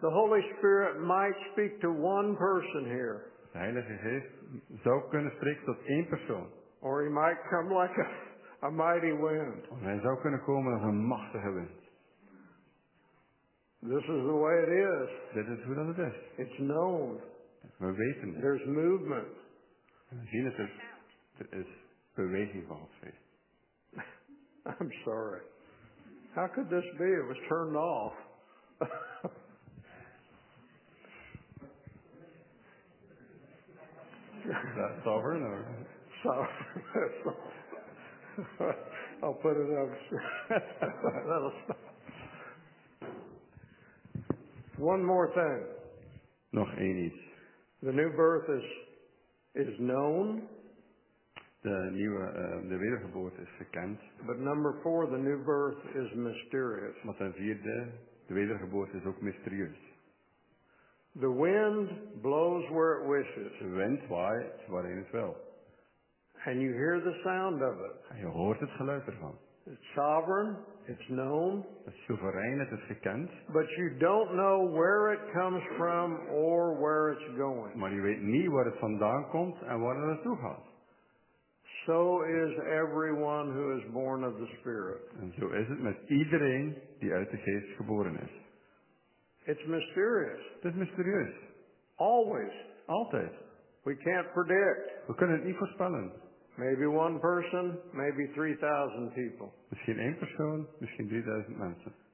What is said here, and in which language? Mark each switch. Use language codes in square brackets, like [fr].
[en] The Holy Spirit might speak to one person here. [nl] De Heilige Geest zou kunnen spreken tot één persoon. [en] Or he might come like a mighty wind. [nl] Of hij zou kunnen komen als een machtige wind. [en] This is the way it is. [nl] Dit is hoe dat het is. [en] It's known. [nl] We weten het. [en] There's movement. [nl] We zien het. Er is beweging van Gods geest. [en] I'm sorry. How could this be? It was turned off. Is that sovereign or? Sovereign. I'll put it up. That'll stop. One more thing. [nl] Nog één iets. [en] The new birth is known. [nl] De nieuwe, de wedergeboorte is gekend. [en] But number four, the new birth is mysterious. [nl] Maar ten vierde, de wedergeboorte is ook mysterieus. [en] The wind blows where it wishes. [nl] De wind waait waarin het wil. [en] And you hear the sound of it. [nl] En je hoort het geluid ervan. [en] It's sovereign. It's known. [nl] Het is soeverein, het is gekend. [en] But you don't know where it comes from or where it's going. [nl] Maar je weet niet waar het vandaan komt en waar het naartoe gaat. [en] So is everyone who is born of the Spirit. [nl] En zo is het met iedereen die uit de Geest geboren is. [en] It's mysterious. [nl] Het is mysterieus. [en] Always. [nl] Altijd. [en] We can't predict. [nl] We kunnen het niet voorspellen. [en] Maybe one person, maybe 3,000 people. [nl] Misschien één persoon, misschien 3,000 mensen.